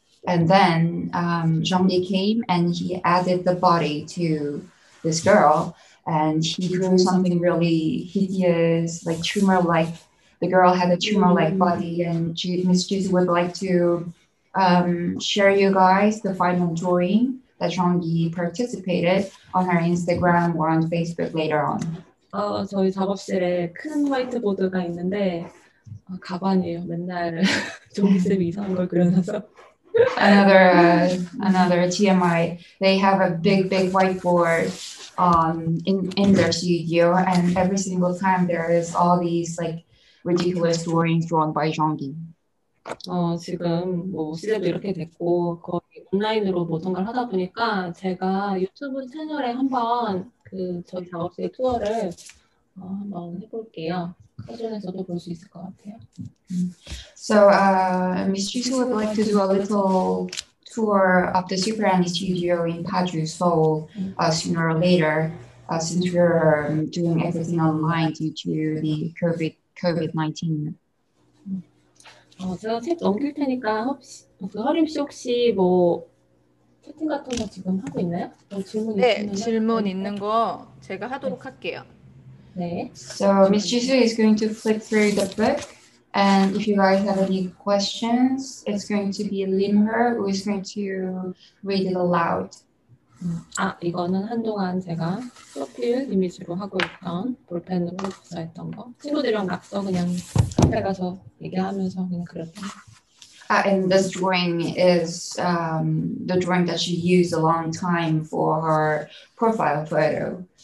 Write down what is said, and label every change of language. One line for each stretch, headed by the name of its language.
English: And then Jean-Di came and he added the body to this girl. And he drew something really hideous, like tumor-like. The girl had a tumor-like body. And Ms. Jisu would like to share you guys the final drawing. That Jeong-gi participated on her Instagram or on Facebook later on.
Korean: 저희 작업실에 큰 화이트보드가 있는데 가관이에요. 맨날 종이쌤 이상한 걸 그려놔서.
English: Another TMI. They have a big whiteboard in their studio, and every single time there is all these like ridiculous drawings drawn by Jeong-gi.
Korean: 지금 뭐 시대도 이렇게 됐고 거의 온라인으로 모든 걸 하다 보니까 제가 유튜브 채널에 한번 그 저희 작업실 투어를 한번 해볼게요. 카존에서도 볼수 있을 것 같아요.
English: So, Miss Jisu would like to do a little tour of the SUPERANI studio in Paju, Seoul, sooner or later, since we're doing everything online due to the COVID-19.
Korean: 제가 책 넘길 테니까 혹시 허림씨 혹시 뭐 채팅 같은 거 지금 하고 있나요? 뭐 질문 네, 있으면은 질문 언제든. 있는 거 제가 하도록 할게요.
English: So, Miss Jisoo is going to flip through the book, and if you guys have any questions, it's going to be Limher who is going to read it aloud.
Korean: 이거는 한동안 제가 프로필 이미지로 하고 있던 볼펜으로 작성했던 거. 친구들이랑 낙서 그냥 카페 가서 얘기하면서 그냥 그렸던 거.
English: And this drawing is the drawing that she used a long time for her profile photo.